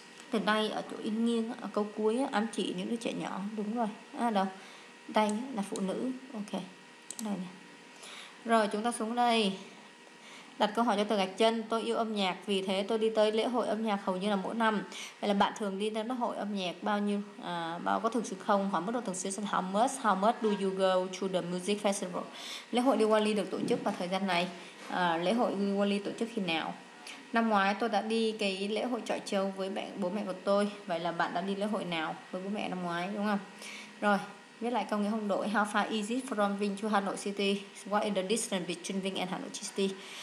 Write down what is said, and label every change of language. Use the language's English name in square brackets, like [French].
[Vietnamese] Từ đây ở chỗ in nghiêng ở câu cuối ám chỉ những đứa trẻ nhỏ, đúng rồi. Đâu? Đây là phụ nữ, ok. Đây này. Rồi chúng ta xuống đây. Đặt câu hỏi cho từ gạch chân. Tôi yêu âm nhạc, vì thế tôi đi tới lễ hội âm nhạc hầu như là mỗi năm. Vậy là bạn thường đi tới lễ hội âm nhạc bao nhiêu? Có thường xuyên không? Hỏi mức độ thường xuyên. [English] How much do you go to the music festival? [Vietnamese] Lễ hội Diwali được tổ chức vào thời gian này. Lễ hội Diwali tổ chức khi nào? Năm ngoái tôi đã đi cái lễ hội chọi châu với bố mẹ của tôi. Vậy là bạn đã đi lễ hội nào với bố mẹ năm ngoái, đúng không? Rồi, viết lại câu nghĩa không đổi. [English] How far is it from Vinh to Hà Nội City? What is the distance between Vinh and Hà Nội City?